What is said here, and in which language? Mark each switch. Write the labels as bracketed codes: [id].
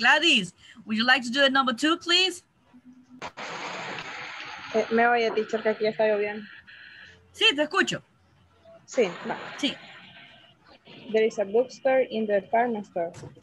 [en] Gladys, would you like to do it number two, please? [es] Me voy a decir que aquí está lloviendo. Sí, te escucho. Sí. Sí. [en] There is a bookstore in the department store.